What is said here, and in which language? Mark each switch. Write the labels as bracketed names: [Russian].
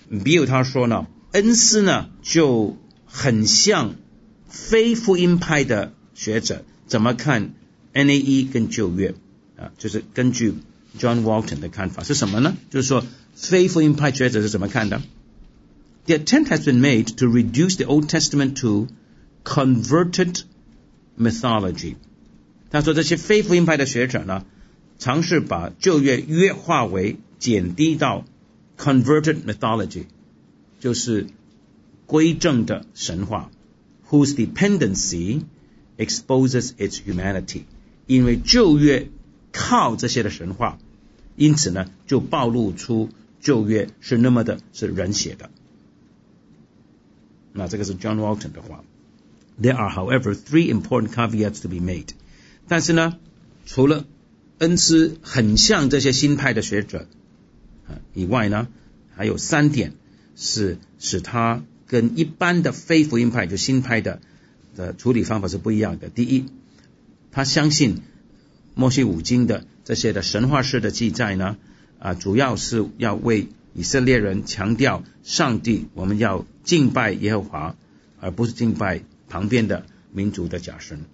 [Chinese] Bill 他说呢，恩斯呢就很像非福音派的学者怎么看 NAE 跟旧约啊，就是根据 John Walton 的看法是什么呢？就是说非福音派学者是怎么看的？ [English] The attempt has been made to reduce the Old Testament to converted mythology. [Chinese] 他说这些非福音派的学者呢，尝试把旧约约化为减低到 [English] converted mythology, [Chinese] 就是归正的神话 [English] whose dependency exposes its humanity, [Chinese] 因为旧约靠这些的神话，因此呢就暴露出旧约是那么的是人写的。那这个是 John Walton 的话。 [English] There are however three important caveats to be made. [Chinese] 但是呢，除了恩斯很像这些新派的学者以外呢，还有三点是使他跟一般的非福音派就新派的处理方法是不一样的。第一，他相信摩西五经的这些的神话式的记载呢，主要是要为以色列人强调上帝，我们要敬拜耶和华，而不是敬拜旁边的民族的假神。